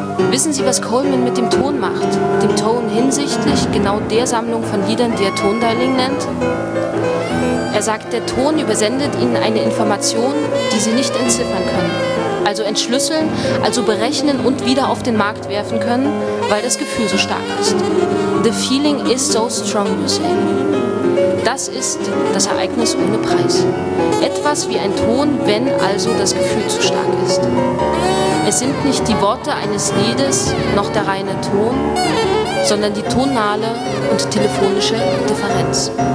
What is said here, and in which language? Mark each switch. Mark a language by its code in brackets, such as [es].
[de] Wissen Sie, was Coleman mit dem Ton macht, dem Ton hinsichtlich genau der Sammlung von Liedern, die er Tondialing nennt? Er sagt, der Ton übersendet Ihnen eine Information, die Sie nicht entziffern können. Also entschlüsseln, also berechnen und wieder auf den Markt werfen können, weil das Gefühl so stark ist. [en] The feeling is so strong, you say. [de] Das ist das Ereignis ohne Preis. Etwas wie ein Ton, wenn also das Gefühl zu stark ist. Es sind nicht die Worte eines Liedes noch der reine Ton, sondern die tonale und telefonische Differenz.